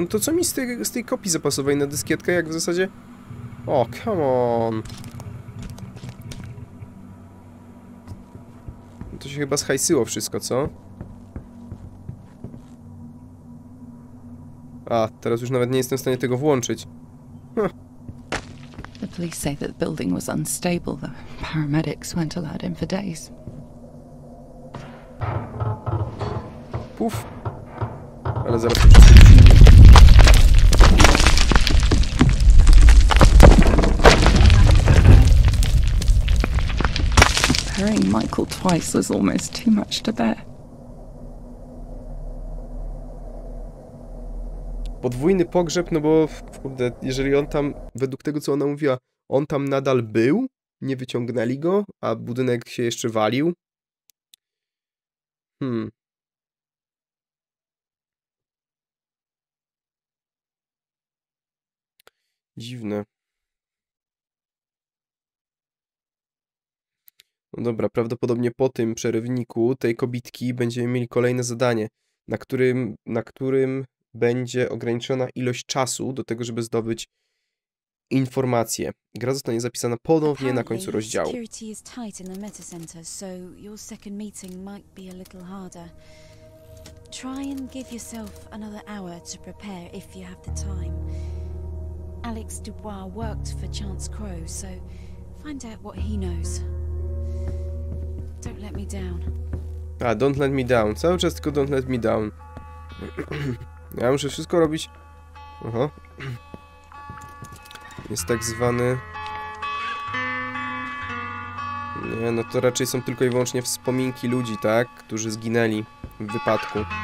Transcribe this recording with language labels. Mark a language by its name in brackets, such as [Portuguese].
[Polish] No to co mi z tej kopii zapasowej na dyskietkę, jak w zasadzie... [English] O, come on. [Polish] No to się chyba zhajsyło wszystko, co? A, teraz już nawet nie jestem w stanie tego włączyć. [English] The police say that the building was unstable, though paramedics weren't allowed in for days. [Polish] Puf. Ale zaraz to wszystko. [English] Hearing Michael twice was almost too much to bear. [Polish] Podwójny pogrzeb, no bo kurde, jeżeli on tam, według tego co ona mówiła, on tam nadal był, nie wyciągnęli go, a budynek się jeszcze walił. Dziwne. No dobra, prawdopodobnie po tym przerywniku tej kobitki będziemy mieli kolejne zadanie, na którym będzie ograniczona ilość czasu do tego, żeby zdobyć informacje. Gra zostanie zapisana ponownie na końcu rozdziału. [English] Security is tight in the meta center, so your second meeting might be a little harder. Try and give yourself another hour to prepare if you have the time. Alex Dubois worked for Chance Crow, so find out what he knows. Don't let me down. A, don't let me down. [Polish] Cały czas tylko [English] don't let me down. [Polish] Ja muszę wszystko robić. Aha. Jest tak zwany... Nie, no to raczej są tylko i wyłącznie wspominki ludzi, tak? Którzy zginęli w wypadku.